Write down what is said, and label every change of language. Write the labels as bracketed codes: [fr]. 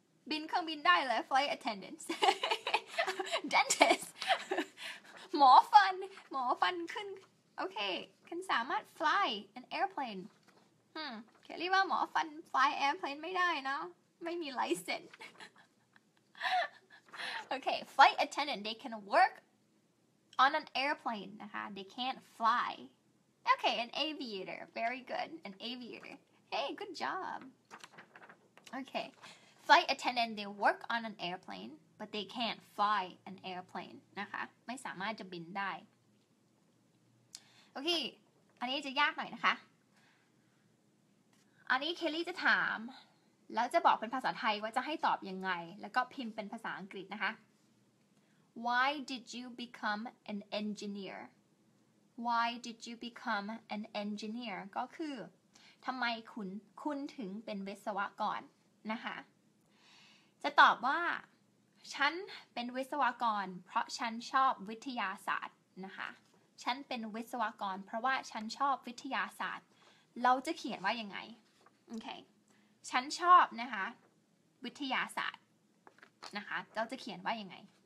[th] บินเครื่องบินได้เลย [en] flight attendants dentist หมอฟันขึ้น okay คุณสามารถ fly an airplane [th] เขาเรียกว่าหมอฟัน [en] fly airplane [th] ไม่ได้นะไม่มี [en] license okay, flight attendant, they can work on an airplane, นะคะ they can't fly. Okay, an aviator, very good, an aviator. Hey, good job. Okay, flight attendant, they work on an airplane, [th] but they can't fly an airplane, นะคะไม่สามารถจะบินได้ Okay, อันนี้จะยากหน่อยนะคะอันนี้เคลลี่จะถามแล้วจะบอกเป็นภาษาไทยว่าจะให้ตอบยังไงแล้วก็พิมพ์เป็นภาษาอังกฤษนะคะ [en] Why did you become an engineer? Why did you become an engineer? [th] ก็คือทำไมคุณถึงเป็นวิศวกรนะคะจะตอบว่าฉันเป็นวิศวกรเพราะฉันชอบวิทยาศาสตร์นะคะฉันเป็นวิศวกรเพราะว่าฉันชอบวิทยาศาสตร์เราจะเขียนว่ายังไงโอเคฉันชอบนะคะวิทยาศาสตร์นะคะเราจะเขียนว่ายังไง